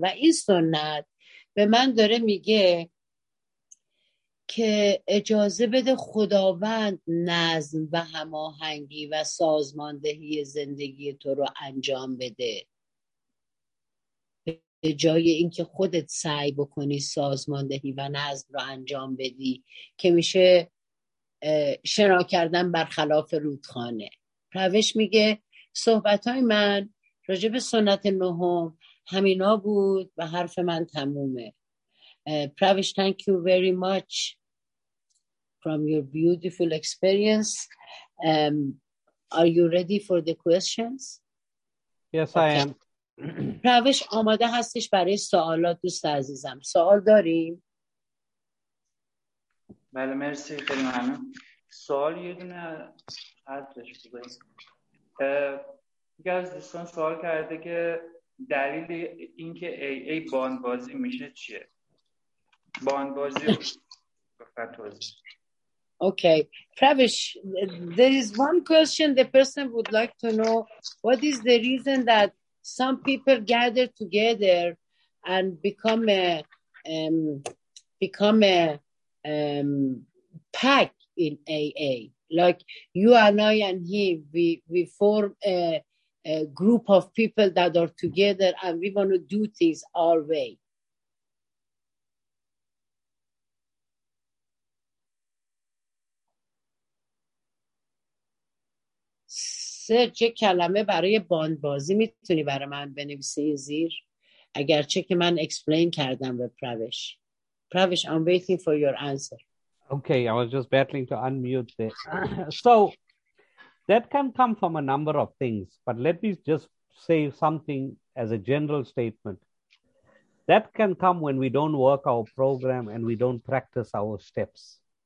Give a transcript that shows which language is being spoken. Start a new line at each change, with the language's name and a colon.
Persian: و این سنت به من داره میگه که اجازه بده خداوند نظم و هماهنگی و سازماندهی زندگی تو رو انجام بده، به جای اینکه خودت سعی بکنی سازماندهی و نظم رو انجام بدی، که میشه شنا کردن برخلاف رودخانه. روش میگه صحبتهای من راجع به سنت نهم همینا بود و حرف من تمومه.
English: پرویش، thank you very much from your beautiful experience. Are you ready for the questions? Yes, okay. I am.
Persian: پرویش آماده هستش برای سوالات دوست عزیزم. سوال داریم؟ بله، مرسی، خیلی ممنون. سوال یه دونه حدش بگویم. یکی از دوستان سوال کرده که دلیل اینکه ای ای باندبازی میشه چیه؟ باندبازی بخواه توضیح.
English: Okay, Pravish, there is one question the person would like to know. What is the reason that some people gather together and become a pack in AA, like you and I and him, we form a group of people that are together and we want to do things our way.
Persian: سه چه کلمه برای باندبازی میتونی برای من بنویسی زیر؟ اگرچه که من اکسپلین کردم به پرویش. پرویش,
English: I'm waiting for your answer. Okay, I was just battling to unmute there. So that can come from a number of things, but let me just say something as a general statement. That can come when we don't work our program and we don't practice our steps.